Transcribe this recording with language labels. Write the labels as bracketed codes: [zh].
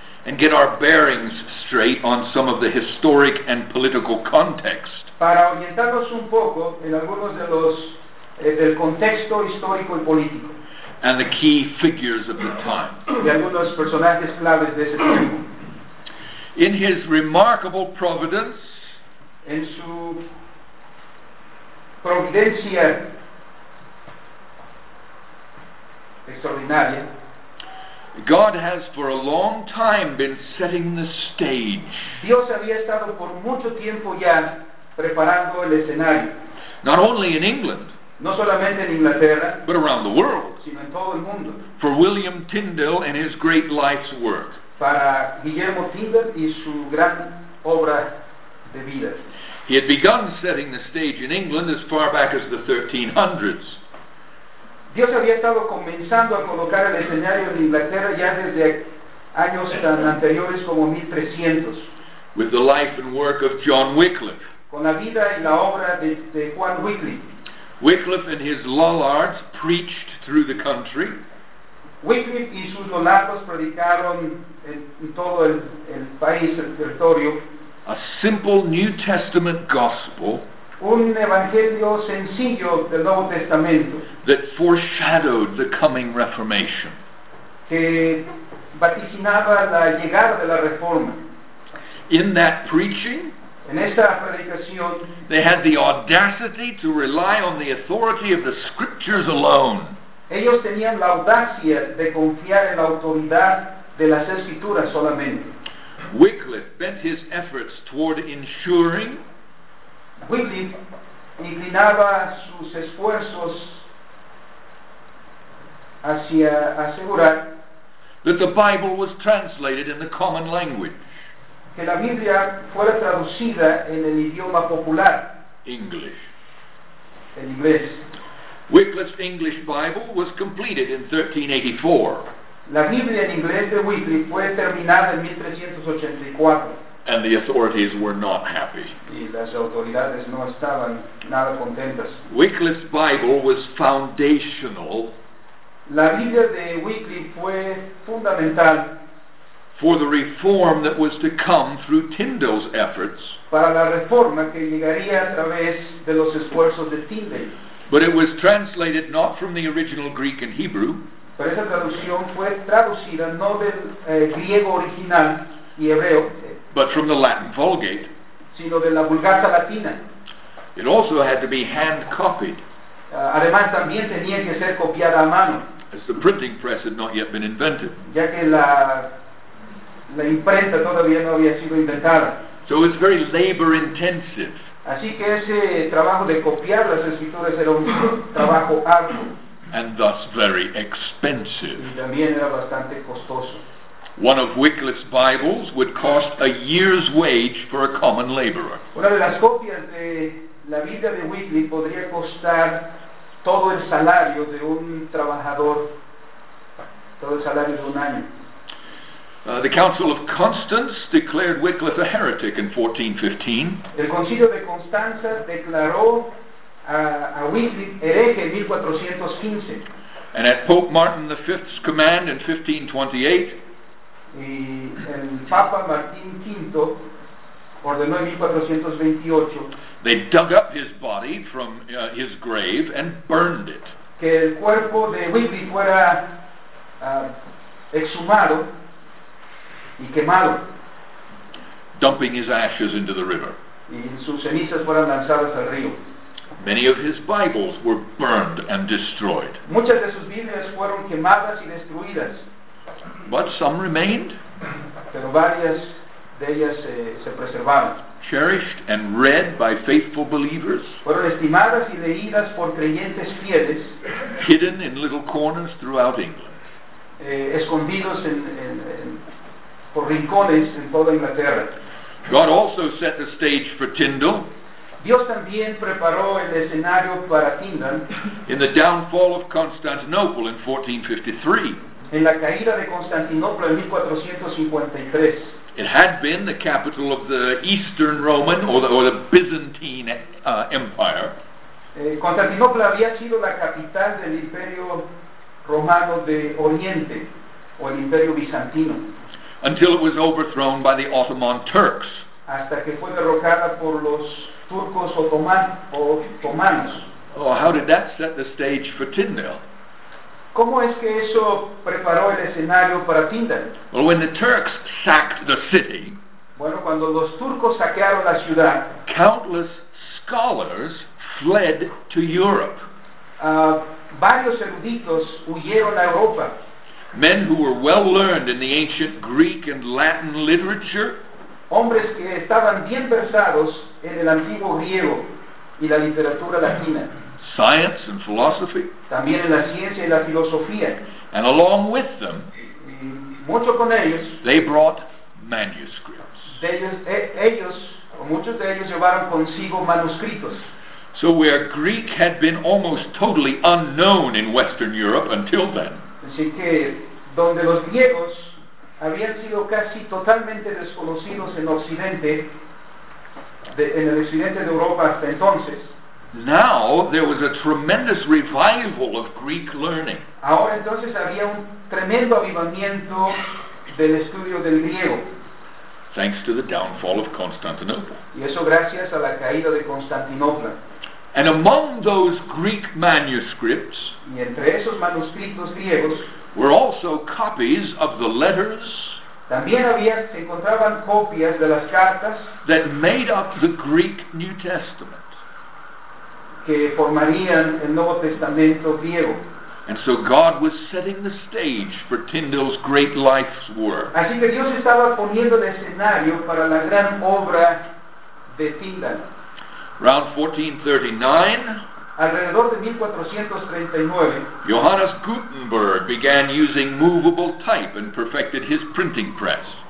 [en] and get our bearings straight on some of the historic and political context. [es] Para orientarnos un poco en algunos de los del contexto histórico y político. [en] And the key figures of the time. [es] Y algunos personajes claves de ese tiempo. [en] In his remarkable providence, [es] en su providencia extraordinaria. [en] God has for a long time been setting the stage. [es] Dios había estado por mucho tiempo ya preparando el escenario. [en] Not only in England, [es] no solamente en Inglaterra, [en] but around the world, [es] sino en todo el mundo. [en] For William Tyndale and his great life's work. [es] Para Guillermo Tyndale y su gran obra de vida. [en] He had begun setting the stage in England as far back as the 1300s. [es] Dios había estado comenzando a colocar el escenario en Inglaterra ya desde años tan anteriores como 1300. [en] With the life and work of John Wycliffe. [es] Con la vida y la obra de Juan Wycliffe. [en] Wycliffe and his Lollards preached through the country. [es] Wycliffe y sus Lollards predicaron en todo el país, el territorio. [en] A simple New Testament gospel. [es] Un evangelio sencillo del Nuevo Testamento. [en] That foreshadowed the coming Reformation. [es] Que vaticinaba la llegada de la Reforma. [en] In that preaching. [es] En esta predicación. [en] They had the audacity to rely on the authority of the Scriptures alone. [es] Ellos tenían la audacia de confiar en la autoridad de las Escrituras solamente. [en] Wycliffe bent his efforts toward ensuring. [es] Wycliffe inclinaba sus esfuerzos hacia asegurar [en] that the Bible was translated in the common language. [es] Que la Biblia fuera traducida en el idioma popular. [en] English. [es] El inglés. [en] Wycliffe's English Bible was completed in 1384. [es] La Biblia en inglés de Wycliffe fue terminada en 1384. [en] And the authorities were not happy. [es] Y las autoridades no estaban nada contentas. [en] Wycliffe's Bible was foundational. [es] La Biblia de Wycliffe fue fundamental. [en] For the reform that was to come through Tyndale's efforts. [es] Para la reforma que llegaría a través de los esfuerzos de Tyndale. [en] But it was translated not from the original Greek and Hebrew. [es] Pero esa traducción fue traducida no del griego original y hebreo. [en] But from the Latin Vulgate. [es] Sino de la Vulgata Latina. [en] It also had to be hand copied. [es] Además también tenía que ser copiada a mano. [en] As the printing press had not yet been invented. [es] Ya que la imprenta todavía no había sido inventada. [en] So it's very labor intensive. [es] Así que ese trabajo de copiar las escrituras era un trabajo arduo. [en] And thus very expensive. [es] Y también era bastante costoso. [en] One of Wycliffe's Bibles would cost a year's wage for a common laborer. [es] Una de las copias de la Biblia de Wycliffe podría costar todo el salario de un trabajador, todo el salario de un año. [en] The Council of Constance declared Wycliffe a heretic in 1415. [es] El Concilio de Constanza declaró a Wycliffe hereje en 1415. [en] And at Pope Martin V's command in 1528. [es] Y el Papa Martín V ordenó en 1428 [en] they dug up his body from his grave and burned it. [es] Que el cuerpo de Wycliffe fuera exhumado y quemado, [en] dumping his ashes into the river. [es] Y sus cenizas fueron lanzadas al río. [en] Many of his Bibles were burned and destroyed. [es] Muchas de sus Biblias fueron quemadas y destruidas. [en] But some remained. [es] Pero varias de ellas se preservaron. [en] Cherished and read by faithful believers. [es] Fueron estimadas y leídas por creyentes fieles. [en] Hidden in little corners throughout England. [es] Escondidos en por rincones en toda Inglaterra. [en] God also set the stage for Tyndale. [es] Dios también preparó el escenario para Tyndale. [en] In the downfall of Constantinople in 1453. [es] En la caída de Constantinopla en 1453. [en] It had been the capital of the Eastern Roman or the Byzantine Empire. [es] Constantinopla había sido la capital del Imperio Romano de Oriente o el Imperio Bizantino. [en] Until it was overthrown by the Ottoman Turks. [es] Hasta que fue derrocada por los turcos otomanos. [en] Oh, how did that set the stage for Tyndale? [es] ¿Cómo es que eso preparó el escenario para Tyndale? [en] Well, when the Turks sacked the city, [es] bueno, cuando los turcos saquearon la ciudad, [en] countless scholars fled to Europe. [es] varios eruditos huyeron a Europa. [en] Men who were well learned in the ancient Greek and Latin literature, [es] hombres que estaban bien versados en el antiguo griego y la literatura latina, [en] science and philosophy, [es] también en la ciencia y la filosofía, [en] and along with them, [es] mucho con ellos, [en] they brought manuscripts. [es] Ellos, muchos de ellos llevaron consigo manuscritos. [en] So where Greek had been almost totally unknown in Western Europe until then, [es] así que donde los griegos habían sido casi totalmente desconocidos en Occidente, en el occidente de Europa hasta entonces, [en] now there was a tremendous revival of Greek learning. [es] Ahora entonces había un tremendo avivamiento del estudio del griego. [en] Thanks to the downfall of Constantinople. [es] Y eso gracias a la caída de Constantinopla. [en] And among those Greek manuscripts, [es] y entre esos manuscritos griegos, [en] were also copies of the letters [es] también había, se encontraban copias de las cartas [en] that made up the Greek New Testament, [es] que formarían el Nuevo Testamento griego. [en] And so God was setting the stage for Tyndale's great life's work. [es] Así que Dios estaba poniendo el escenario para la gran obra de Tyndale. [en] Around 1439, [es] alrededor de 1439, [en] Johannes Gutenberg began using movable type and perfected his printing press.